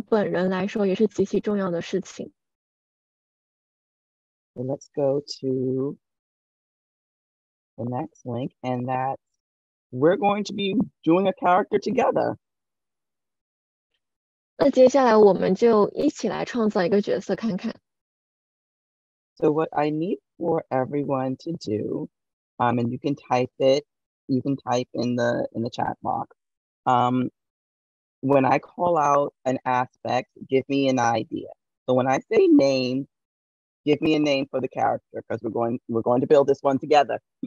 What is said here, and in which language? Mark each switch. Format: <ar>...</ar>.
<zh>这些不仅仅对读者来说很重要，其实对漫画创作者本人来说也是极其重要的事情。</zh> <en>So let's go to the next link, and that we're going to be doing a character together.</en> <zh>那接下来我们就一起来创造一个角色看看。So</zh> <en>what I need for everyone to do, and you can type it. You can type in the chat box. When I call out an aspect, give me an idea. So when I say name, give me a name for the character because we're going to build this one together.</en>